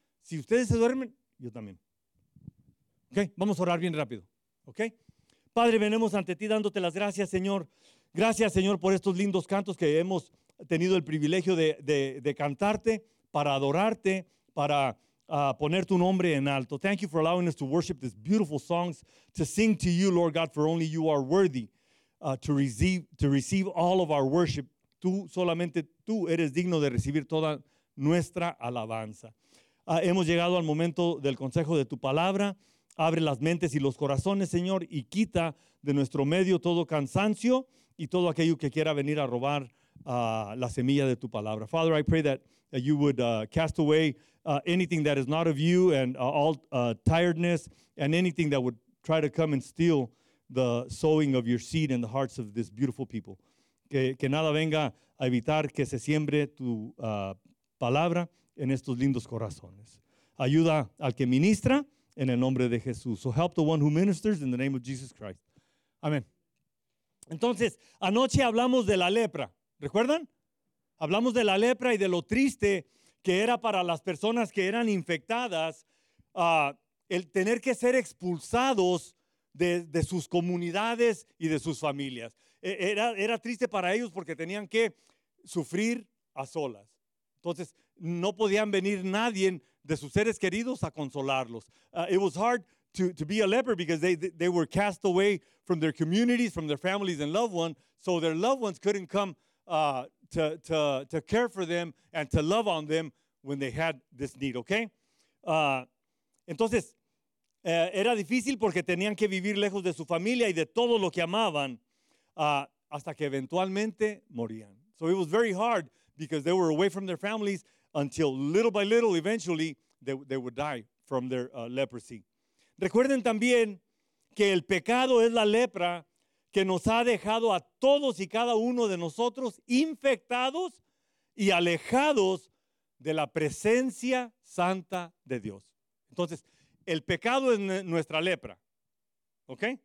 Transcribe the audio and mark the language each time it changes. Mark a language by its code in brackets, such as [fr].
[es] Si ustedes se duermen, yo también. Ok, vamos a orar bien rápido, ¿ok? Padre, venimos ante ti dándote las gracias, Señor. Gracias, Señor, por estos lindos cantos que hemos tenido el privilegio de cantarte, para adorarte, para poner tu nombre en alto. [en] Thank you for allowing us to worship these beautiful songs, to sing to you, Lord God, for only you are worthy to receive all of our worship. [es] Tú, solamente tú eres digno de recibir toda nuestra alabanza. Hemos llegado al momento del consejo de tu palabra. Abre las mentes y los corazones, Señor, y quita de nuestro medio todo cansancio y todo aquello que quiera venir a robar la semilla de tu palabra. [en] Father, I pray that you would cast away anything that is not of you and all tiredness and anything that would try to come and steal the sowing of your seed in the hearts of this beautiful people. [es] Que nada venga a evitar que se siembre tu palabra en estos lindos corazones. Ayuda al que ministra en el nombre de Jesús. [en] So help the one who ministers in the name of Jesus Christ. [es] Amén. Entonces, anoche hablamos de la lepra, ¿recuerdan? Hablamos de la lepra y de lo triste que era para las personas que eran infectadas el tener que ser expulsados de sus comunidades y de sus familias. Era triste para ellos porque tenían que sufrir a solas. Entonces, no podían venir nadie de sus seres queridos a consolarlos. [en] It was hard to be a leper because they were cast away from their communities, from their families and loved ones, so their loved ones couldn't come to care for them and to love on them when they had this need, okay? [es] Entonces, era difícil porque tenían que vivir lejos de su familia y de todo lo que amaban hasta que eventualmente morían. [en] So it was very hard because they were away from their families until little by little, eventually, they would die from their leprosy. [es] Recuerden también que el pecado es la lepra que nos ha dejado a todos y cada uno de nosotros infectados y alejados de la presencia santa de Dios. Entonces, el pecado es nuestra lepra, ¿ok?